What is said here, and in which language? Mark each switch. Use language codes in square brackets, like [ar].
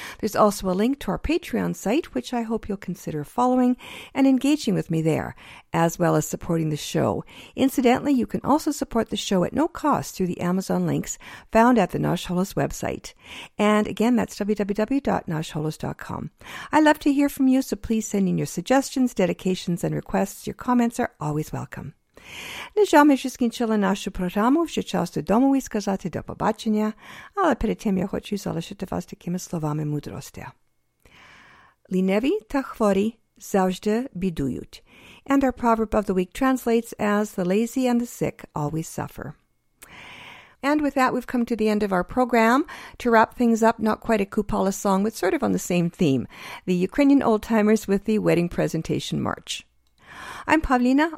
[en] There's also a link to our Patreon site, which I hope you'll consider following and engaging with me there, as well as supporting the show. Incidentally, you can also support the show at no cost through the Amazon links found at the Nash Holos website. And again, that's www.nashholos.com. I love to hear from you, so please send in your suggestions, dedications, and requests. Your comments are always welcome. [uk] Нежами ж скінчила нашу програму, вже час додому і сказати до побачення, але перед тим я хочу залишити вас такими словами мудрості. Ліневі та хворі завжди бідують. [en] And our proverb of the week translates as, the lazy and the sick always suffer. And with that, we've come to the end of our program. To wrap things up, not quite a kupala song, but sort of on the same theme, the Ukrainian old-timers with the wedding presentation march. I'm Pavlina.